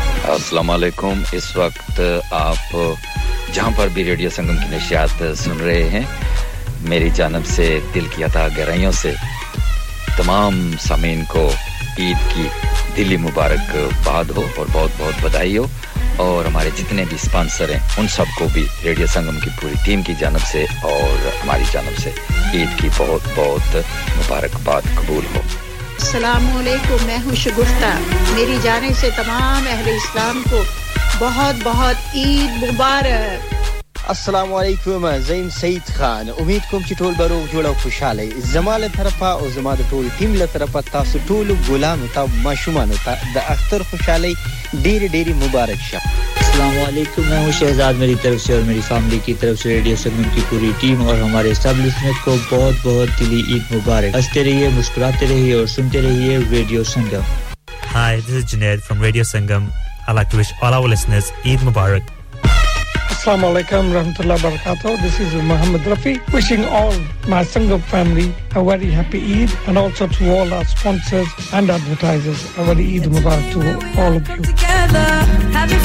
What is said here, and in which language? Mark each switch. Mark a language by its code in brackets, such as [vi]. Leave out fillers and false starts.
[ur] السلام علیکم اس وقت آپ جہاں پر بھی ریڈیو سنگم کی نشریات سن رہے ہیں میری جانب سے دل کی عطا گہرائیوں سے تمام سامعین کو عید کی دلی مبارک باد ہو اور بہت بہت بدائی ہو اور ہمارے جتنے بھی سپانسر ہیں ان سب کو بھی ریڈیو سنگم کی پوری ٹیم کی جانب سے اور ہماری جانب سے عید کی بہت بہت مبارک باد قبول ہو السلام علیکم میں ہوں شگفتہ میری جانب سے تمام اہل اسلام کو بہت بہت عید مبارک السلام علیکم زین سعید خان [ps] امید کوم چې ټول برو جوړو خوشاله زماله طرفه او زماده ټول ټیم له طرفه تاسو ټول غلام ته ماشومان ته د اختر خوشاله ډیر ډیر مبارک شه [ur] السلام علیکم میں ہوں شہزاد میری طرف سے اور میری فیملی کی طرف سے ریڈیو سنگم کی پوری ٹیم اور ہمارے سب لسنرز کو بہت بہت دلی عید مبارک ہنستے رہیے مسکراتے رہیے اور سنتے رہیے radio Sangam [en] hi this is Junaid from radio Sangam I like to wish all our listeners Eid Mubarak [ar] Assalamu alaikum warahmatullahi wabarakatuh. [en] This is Muhammad Rafi wishing all my Sangam family a very happy Eid and also to all our sponsors and advertisers a very Eid Mubarak to all of you.